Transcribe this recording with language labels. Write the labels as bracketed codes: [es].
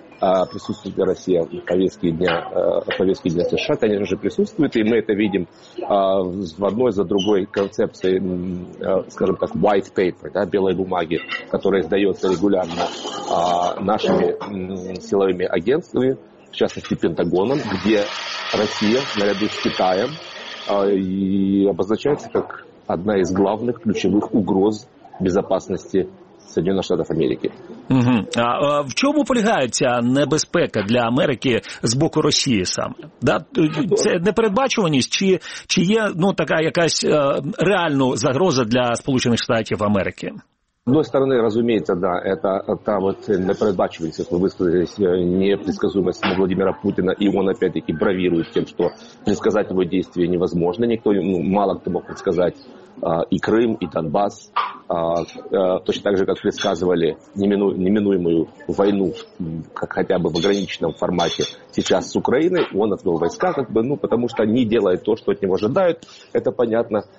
[ru] присутствует Россия в повестке дня США, конечно же, присутствует, и мы это видим в одной за другой концепции, скажем так, [en] white paper, [ru] да, белой бумаги, которая издается регулярно нашими силовыми агентствами, в частности, Пентагоном, где Россия, наряду с Китаем, и обозначается как одна из главных ключевых угроз безопасности Соединенных Штатов Америки. Угу. [uk] А в чому полягається небезпека для Америки з боку Росії саме? Да? Це непередбачуваність, чи є, ну, така якась реальна загроза для Сполучених Штатів Америки? [ru] С одной стороны, разумеется, да, это та вот непредбачивость, как вы высказались, непредсказуемость Владимира Путина, и он опять-таки бравирует тем, что предсказать его действия невозможно. Никто, ну, мало кто мог предсказать и Крым, и Донбасс, точно так же, как предсказывали неминуемую войну, как хотя бы в ограниченном формате сейчас с Украиной, он отвел войска, как бы, ну, потому что не делает то, что от него ожидают, это понятно.